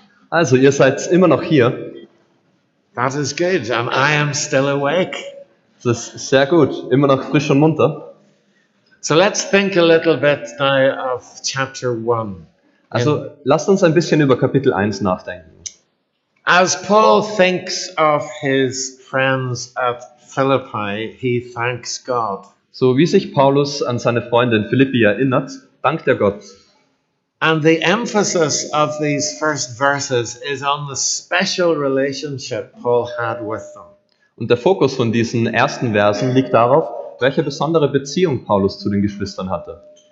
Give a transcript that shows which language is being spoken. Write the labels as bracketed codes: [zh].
[de] Also, ihr seid immer noch hier. [en] That is good. And I am still awake. [de] Das ist sehr gut. Immer noch frisch und munter. [en] So let's think a little bit now of chapter 1. [de] Also, lasst uns ein bisschen über Kapitel 1 nachdenken. [en] As Paul thinks of his friends at Philippi, he thanks God. [de] So wie sich Paulus an seine Freunde in Philippi erinnert, dankt er Gott. [en] And the emphasis of these first verses is on the special relationship Paul had with them. [de] Und der Fokus von diesen ersten Versen liegt darauf, welche besondere Beziehung Paulus zu den Geschwistern hatte.